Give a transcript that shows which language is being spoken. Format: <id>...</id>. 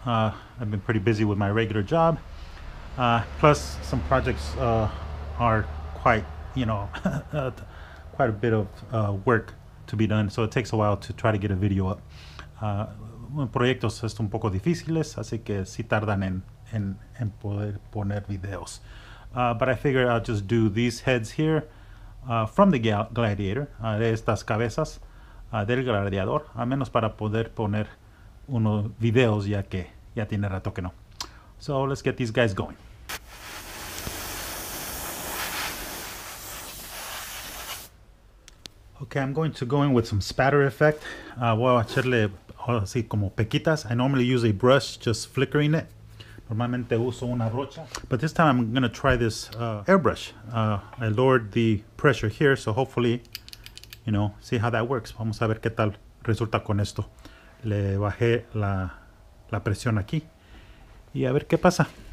<en>I've been pretty busy with my regular job. Plus, some projects are quite, you know, quite a bit of work to be done. So it takes a while to try to get a video up.</en> <es>Proyectos son un poco difíciles, así que sí tardan en poder poner videos.</es> <en>But I figured I'll just do these heads here. From the gladiator,</en> <es>de estas cabezas del gladiador, al menos para poder poner unos videos ya que ya tiene rato que no.</es> <en>So let's get these guys going. Okay, I'm going to go in with some spatter effect.</en> <es>Voy a echarle así como pequitas.</es> <en>I normally use a brush, just flickering it.</en> <es>Normalmente uso una brocha.</es> <en>But this time I'm going to try this airbrush. I lowered the pressure here, so hopefully, you know, see how that works.</en> <es>Vamos a ver qué tal resulta con esto. Le bajé la presión aquí. Y a ver qué pasa.</es>